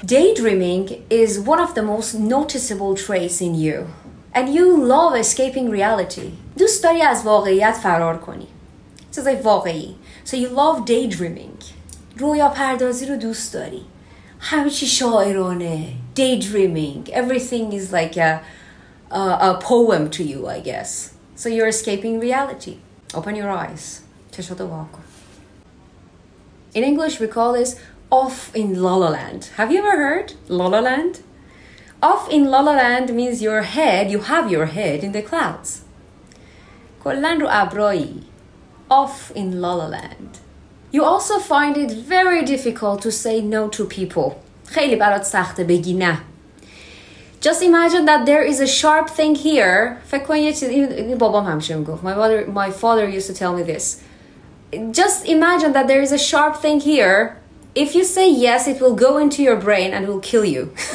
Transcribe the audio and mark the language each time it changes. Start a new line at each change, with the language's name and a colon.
English: Daydreaming is one of the most noticeable traits in you. And you love escaping reality.
Persian: دوست داری از واقعیت فرار کنی. چیزای واقعی.
English: So you love daydreaming.
Persian: رویا پردازی رو دوست داری. همه چی شاعرانه. Daydreaming.
English: Everything is like a poem to you, I guess. So you're escaping reality. Open your eyes.
Persian: چشاتو واقع کن.
English: In English, we call this off in La La Land. Have you ever heard La La Land? Off in La La Land means your head, you have your head in the clouds.
Persian: کلن رو ابرایی.
English: Off in La La Land. You also find it very difficult to say no to people.
Persian: خیلی برات سخته بگی نه.
English: Just imagine that there is a sharp thing here.
Persian: فکر کن یه چیز، بابام همیشه میگفت.
English: My father used to tell me this. Just imagine that there is a sharp thing here. If you say yes, it will go into your brain and will kill you.